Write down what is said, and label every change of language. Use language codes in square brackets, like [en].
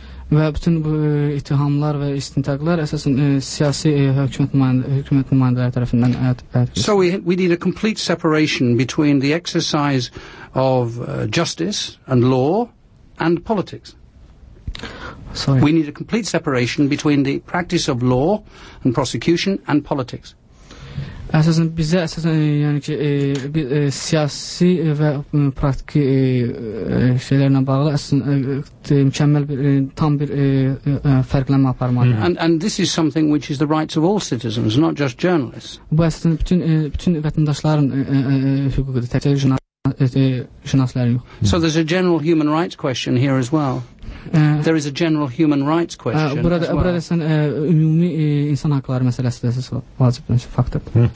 [az] Və bütün bu ittihamlar və istintaqlar əsasən siyasi hökumət nümayəndələri tərəfindən [en] So we need a complete separation between the exercise of justice and law and politics. Sorry. We need a complete separation between the practice of law and prosecution and politics. [az] Əsasən bizə əsasən yəni ki bir siyasi və praktik şeylərlə bağlı əsasən mükəmməl bir tam bir fərqlənmə aparmalıyıq. [en] And this is something which is the rights of all citizens, not just journalists. [az] Bu əsasən bütün vətəndaşların hüququdur, təkcə jurnalistlərin yox. [en] So there's a general human rights question here as well. There is a general human rights question. [az] Burada sən ümumi insan hakları məsələsi də əsas vacib bir faktordur.